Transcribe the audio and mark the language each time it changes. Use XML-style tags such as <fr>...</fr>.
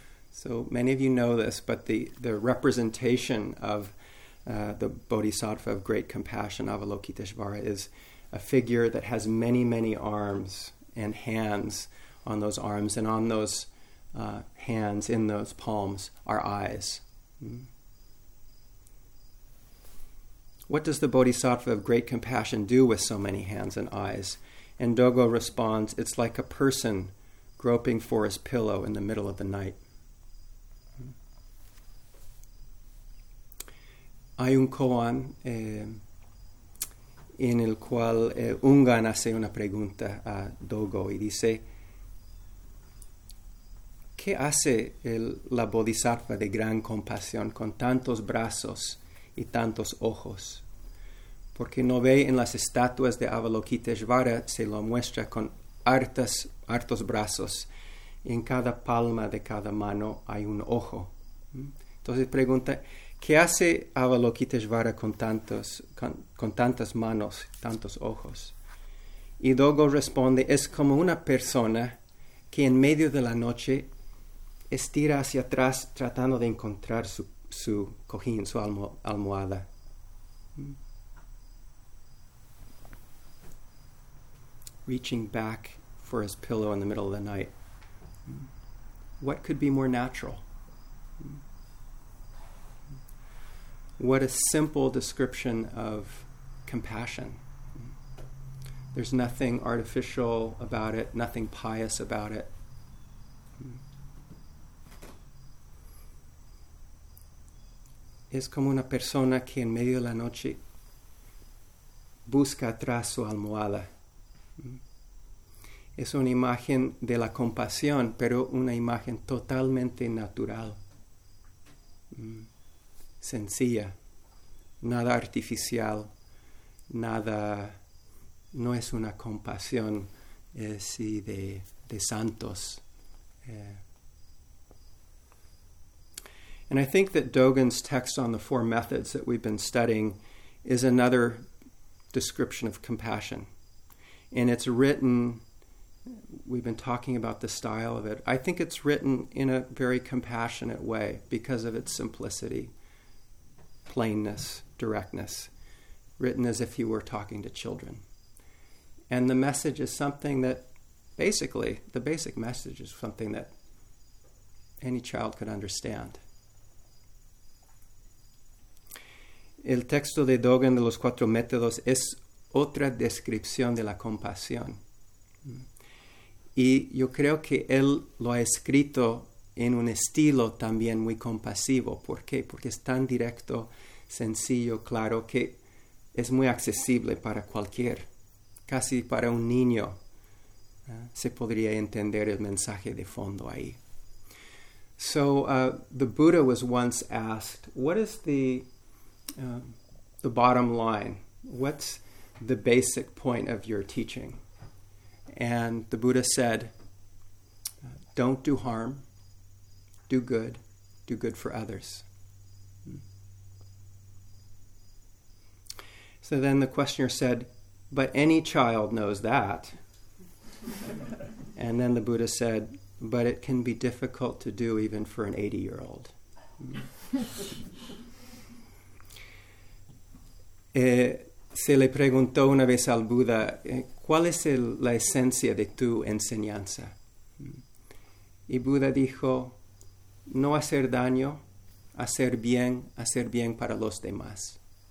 <en>So many of you know this, but the representation of the Bodhisattva of great compassion, Avalokiteshvara, is a figure that has many, many arms and hands on those arms and on those hands in those palms are eyes. What does the Bodhisattva of great compassion do with so many hands and eyes? And Dogo responds, it's like a person groping for his pillow in the middle of the night.</en> <es>Hay un koan en el cual Ungan hace una pregunta a Dogo y dice, ¿qué hace la Bodhisattva de gran compasión con tantos brazos y tantos ojos? Porque no ve en las estatuas de Avalokiteshvara, se lo muestra con hartos brazos. Y en cada palma de cada mano hay un ojo. Entonces pregunta, ¿qué hace Avalokiteshvara con tantas manos, tantos ojos? Y Dogo responde, es como una persona que en medio de la noche estira hacia atrás tratando de encontrar su cojín, su almohada.</es> <en>Reaching back for his pillow in the middle of the night. What could be more natural? What a simple description of compassion. There's nothing artificial about it, nothing pious about it.</en> <es>Es como una persona que en medio de la noche busca atrás su almohada. Es una imagen de la compasión, pero una imagen totalmente natural, sencilla, nada artificial, nada, no es una compasión así de santos.</es> <en>And I think that Dogen's text on the four methods that we've been studying is another description of compassion. And it's written, we've been talking about the style of it. I think it's written in a very compassionate way because of its simplicity, plainness, directness, written as if you were talking to children. And the message is something that basically, the basic message is something that any child could understand.</en> <es>El texto de Dogen de los cuatro métodos es otra descripción de la compasión. Y yo creo que él lo ha escrito en un estilo también muy compasivo. ¿Por qué? Porque es tan directo, sencillo, claro, que es muy accesible para cualquier, casi para un niño, se podría entender el mensaje de fondo ahí.</es> <en>So the Buddha was once asked, what is the bottom line? What's the basic point of your teaching? And the Buddha said, don't do harm, do good for others. So then the questioner said, but any child knows that. And then the Buddha said, but it can be difficult to do even for an 80-year-old.</en> <es>Se le preguntó una vez al Buda, ¿cuál es la esencia de tu enseñanza? Y Buda dijo, no hacer daño, hacer bien para los demás.</es>